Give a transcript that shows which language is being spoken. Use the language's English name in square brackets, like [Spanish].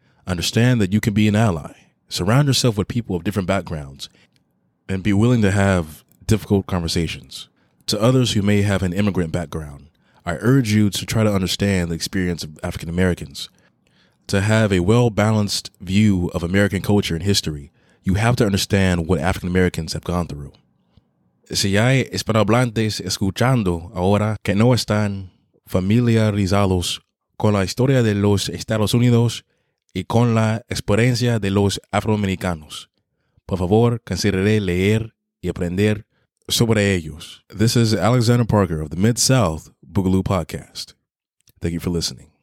[English] Understand that you can be an ally. Surround yourself with people of different backgrounds and be willing to have difficult conversations. To others who may have an immigrant background, I urge you to try to understand the experience of African Americans. To have a well-balanced view of American culture and history, you have to understand what African Americans have gone through. [Spanish] Si hay hispanohablantes escuchando ahora que no están familiarizados con la historia de los Estados Unidos y con la experiencia de los afroamericanos, por favor, consideré leer y aprender sobre ellos. [English] This is Alexander Parker of the Mid-South Boogaloo Podcast. Thank you for listening.